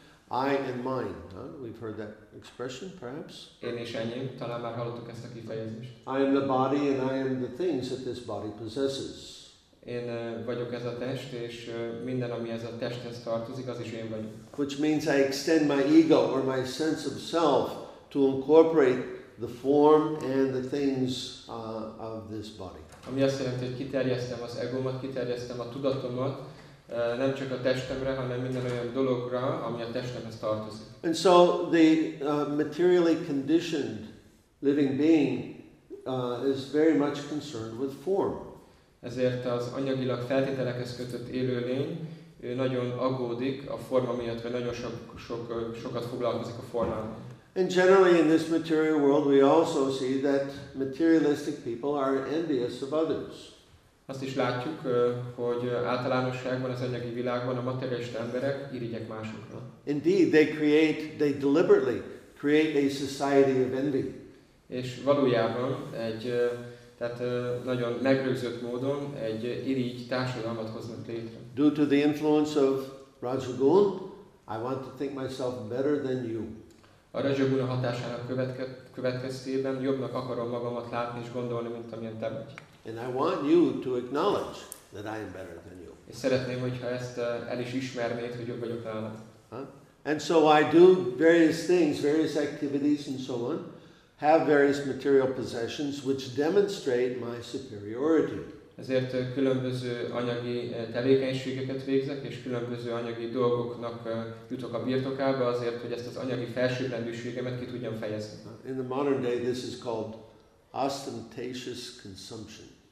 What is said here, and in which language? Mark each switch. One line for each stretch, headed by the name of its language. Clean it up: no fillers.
English: I and mine, we've heard that expression perhaps.
Hungarian: Én és enyém, talán már hallottuk ezt a kifejezést.
English: I am the body and I am the things that this body possesses.
Hungarian: Én vagyok ez a test, és minden, ami ez a testhez tartozik, az is én vagyok.
English: Which means I extend my ego or my sense of self to incorporate the form and the things of this body.
Hungarian: Ami azt jelenti, hogy kiterjesztem az egómat, kiterjesztem a tudatomat, nem csak a testemre, hanem minden olyan dologra, ami a testemhez tartozik.
English: And so the materially conditioned living being is very much concerned with form.
Hungarian: Ezért az anyagilag feltételekhez kötött élőlény nagyon aggódik a forma miatt, vagy nagyon sokat foglalkozik a formával.
English: And generally in this material world we also see that materialistic people are envious of others.
Hungarian: Azt is látjuk, hogy általánosságban az anyagi világban a materialista emberek irigyek másokra.
English: Indeed, they deliberately create a society of envy.
Hungarian: És valójában egy, tehát nagyon megrögzött módon egy irigy társadalmat hoznak létre.
English: Due to the influence of Rajagun, I want to think myself better than you.
Hungarian: A Rajagun hatásának következtében jobbnak akarom magamat látni és gondolni, mint amilyen te vagy.
English: And I want you to acknowledge that I am better than you.
Hungarian: És szeretném, hogyha ezt el is ismernéd, hogy jobb vagyok nálad.
English: And so I do various things, various activities and so on, have various material possessions which demonstrate my superiority.
Hungarian: Ezért különböző anyagi tevékenységeket végzek, és különböző anyagi dolgoknak jutok a birtokába azért, hogy ezt az anyagi felsőbbrendűségemet ki tudjam fejezni.
English: In the modern day this is called ostentatious consumption.